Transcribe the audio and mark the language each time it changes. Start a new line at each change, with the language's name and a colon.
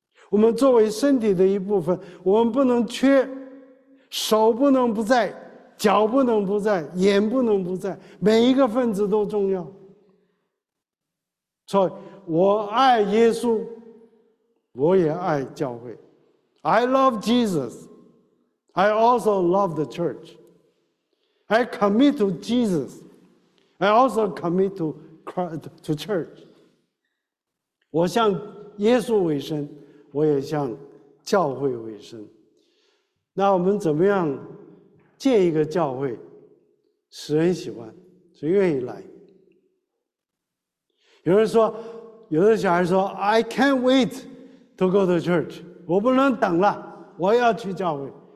Chinese: 我们作为身体的一部分，我们不能缺，手不能不在，脚不能不在，眼不能不在，每一个分子都重要。所以我爱耶稣，我也爱教会。
English: I love Jesus, I also love the church. I commit to Jesus, I also commit to Christ, to church.
Chinese: 我向耶稣委身，我也向教会委身。那我们怎么样建一个教会，使人喜欢，谁愿意来？有人说，有的小孩说 ，
English: I can't wait to go to church，
Chinese: 我不能等了，我要去教会。